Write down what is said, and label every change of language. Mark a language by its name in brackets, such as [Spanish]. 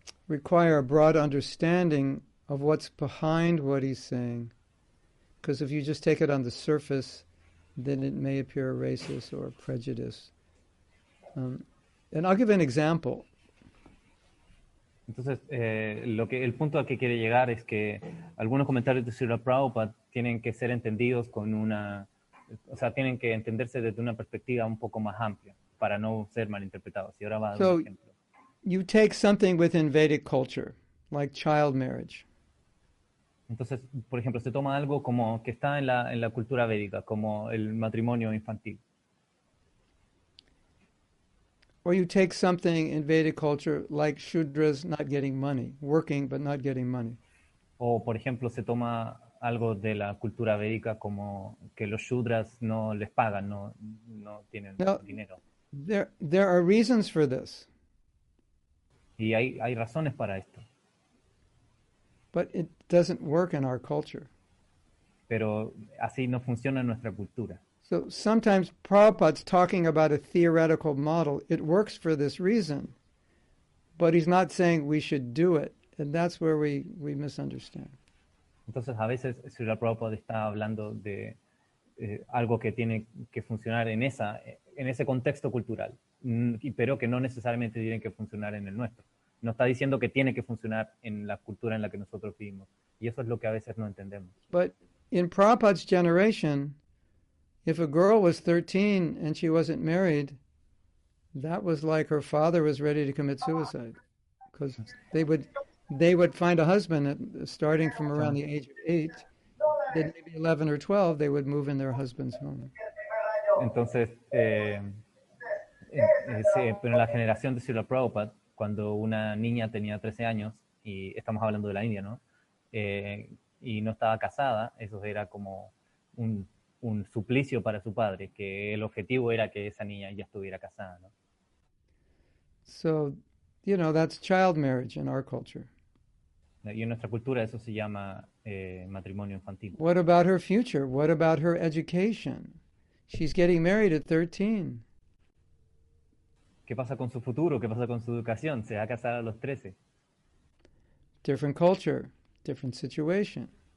[English] require a broad understanding of what's behind what he's saying. Because if you just take it on the surface, then it may appear racist or prejudice. And I'll give an example. [Spanish] Entonces, el punto al que quiere llegar es que algunos comentarios de Srila Prabhupada tienen que ser entendidos con una, o sea, tienen que entenderse desde una perspectiva un poco más amplia para no ser malinterpretados. Y ahora va a dar un ejemplo. [English] You take something within Vedic culture, like child marriage. [Spanish] Entonces, por ejemplo, se toma algo como que está en la cultura védica, como el matrimonio infantil. [English] Or you take something in Vedic culture like Shudras not getting money, working but not getting money. [Spanish] O, por ejemplo, se toma algo de la cultura védica como que los Shudras no les pagan, no tienen dinero. [English] There are reasons for this. [Spanish] Y hay razones para esto. [English] But it doesn't work in our culture. [Spanish] Pero así no funciona en nuestra cultura. [English] So sometimes Prabhupada's talking about a theoretical model. It works for this reason, but he's not saying we should do it, and that's where we misunderstand. [Spanish] Entonces a veces Srila Prabhupada está hablando de algo que tiene que funcionar en ese contexto cultural, pero que no necesariamente tiene que funcionar en el nuestro. No está diciendo que tiene que funcionar en la cultura en la que nosotros vivimos, y eso es lo que a veces no entendemos. [English] But in Prabhupada's generation, if a girl was 13 and she wasn't married, that was like her father was ready to commit suicide, because they would find a husband starting from around the age of 8, then maybe 11 or 12, they would move in their husband's home. [Spanish] Entonces, pero en la generación de Srila Prabhupada, cuando una niña tenía 13 años, y estamos hablando de la India, ¿no? Y no estaba casada, eso era como un suplicio para su padre, que el objetivo era que esa niña ya estuviera casada, ¿no? [English] So, you know, that's child marriage in our culture. [Spanish] Y en nuestra cultura eso se llama matrimonio infantil. [English] What about her future? What about her education? She's getting married at 13. [Spanish] ¿Qué pasa con su futuro? ¿Qué pasa con su educación? ¿Se va a casar a los 13? [English] Different culture, different situation.